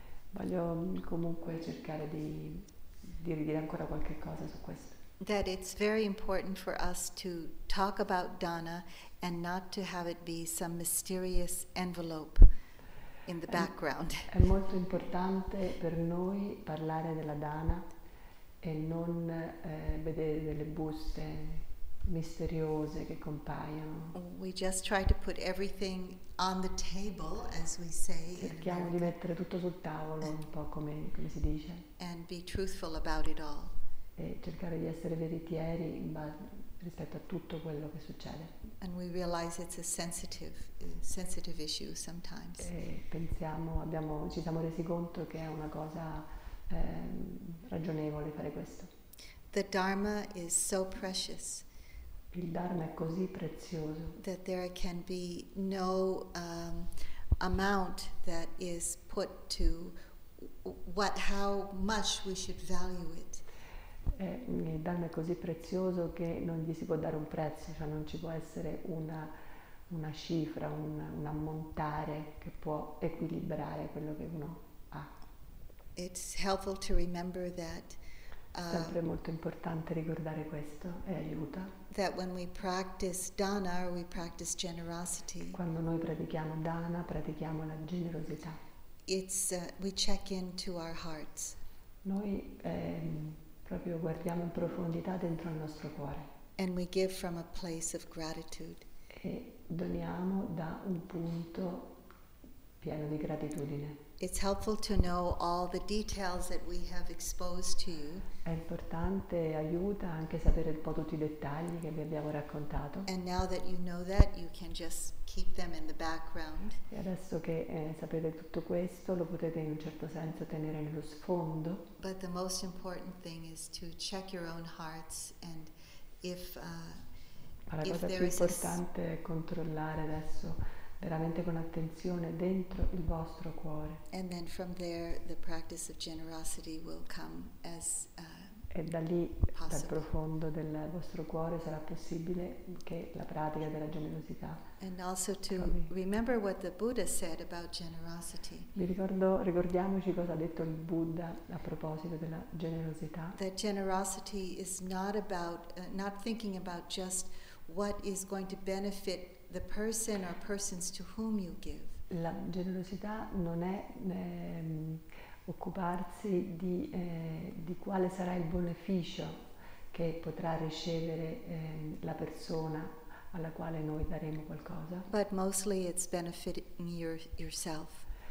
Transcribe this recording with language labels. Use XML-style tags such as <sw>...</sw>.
<it>Voglio comunque cercare di ridire ancora qualche cosa su questo.</it> <en>That it's very important for us to talk about dana and not to have it be some mysterious envelope in the background.</en> <it>È molto importante per noi parlare della dana e non vedere delle buste misteriose che compaiono.</it> <en>We just try to put everything on the table, as we say.</en> <it>Cerchiamo di mettere tutto sul tavolo, un po' come si dice.</it> <en>And be truthful about it all.</en> <it>E cercare di essere veritieri rispetto a tutto quello che succede.</it> <en>And we realize it's a sensitive issue sometimes.</en> <it>E pensiamo, ci siamo resi conto che è una cosa ragionevole fare questo.</it> <en>The Dharma is so precious.</en> <it>Il Dharma è così prezioso.</it> <en>That there can be no amount that is put to how much we should value it.</en> <it>Il Dharma è così prezioso che non gli si può dare un prezzo, cioè non ci può essere una cifra, un ammontare che può equilibrare quello che uno ha.</it> <en>It's helpful to remember that.</en> <it>Sempre molto importante ricordare questo e aiuta.</it> <en>That when we practice dana, we practice generosity.</en> <it>Quando noi pratichiamo dana, pratichiamo la generosità.</it> <en>We check into our hearts.</en> <it>Noi proprio guardiamo in profondità dentro il nostro cuore.</it> <en>And we give from a place of gratitude.</en> <it>E doniamo da un punto pieno di gratitudine.</it> <en>It's helpful to know all the details that we have exposed to you.</en> <it>È importante, aiuta anche sapere un po' tutti i dettagli che vi abbiamo raccontato.</it> <en>And now that you know that, you can just keep them in the background.</en> <it>E adesso che sapete tutto questo, lo potete in un certo senso tenere nello sfondo.</it> <en>But the most important thing is to check your own hearts and</en> <it>la cosa più importante è controllare adesso veramente con attenzione dentro il vostro cuore.</it> <en>And then from there the practice of generosity will come as</en> <it>e da lì, dal profondo del vostro cuore, sarà possibile che la pratica della generosità.</it> <en>And also to remember what the Buddha said about generosity.</en> <it>Ricordiamoci cosa ha detto il Buddha a proposito della generosità.</it> <en>That generosity is not about not thinking about just what is going to benefit the person or persons to whom you give.</en> <it>La generosità non è occuparsi di quale sarà il beneficio che potrà ricevere la persona alla quale noi daremo qualcosa.</it> <en>But mostly it's benefiting yourself.</en>